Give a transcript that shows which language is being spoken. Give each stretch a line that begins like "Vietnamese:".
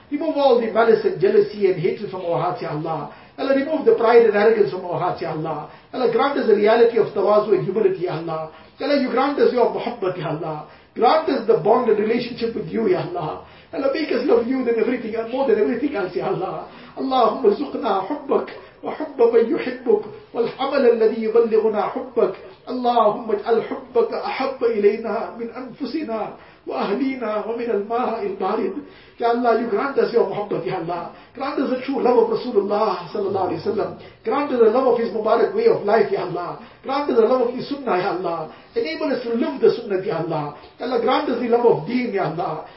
English: Remove all the malice and jealousy and hatred from our hearts, Ya Allah. Ya Allah, remove the pride and arrogance from our hearts, Ya Allah. Ya Allah, grant us the reality of tawazu and humility, Ya Allah. Ya Allah, you grant us your muhabbat, Ya Allah. Grant us the bond and relationship with you, Ya Allah. Ya Allah, make us love you than everything and more than everything else, Ya Allah.
Arabic: Allahumma zuqna hubbak. وحب من يحبك والعمل الذي يبلغنا حبك اللهم اجعل حبك أحب إلينا من أنفسنا وَأَهْلِينَا وَمِنَ الْمَاءِ الْبَارِدِ.
English: Ya Allah, you grant us your muhabbat, Ya Allah. Grant us the true love of Rasulullah sallallahu alayhi wa sallam. Grant us the love of his Mubarak way of life, Ya Allah. Grant us the love of his sunnah, Ya Allah. Enable us to live the sunnah, Ya Allah. Ya Allah, grant us the love of deen, Ya Allah.